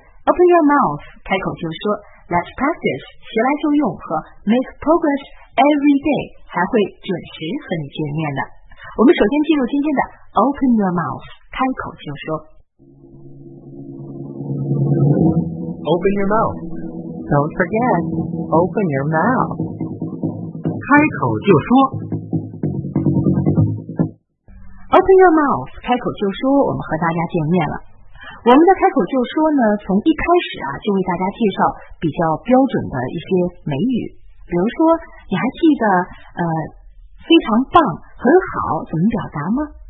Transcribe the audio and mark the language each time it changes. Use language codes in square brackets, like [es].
[en] Open your mouth， [zh] 开口就说 ， [en] Let's practice， [zh] 学来就用和 [en] Make progress every day， [zh] 还会准时和你见面的。我们首先进入今天的 [en] Open your mouth， [zh] 开口就说。 [en] Open your mouth， don't forget， open your mouth， [zh] 开口就说。 [en] Open your mouth， [zh] 开口就说，我们和大家见面了。我们的开口就说呢，从一开始啊就为大家介绍比较标准的一些美语，比如说你还记得非常棒、很好怎么表达吗？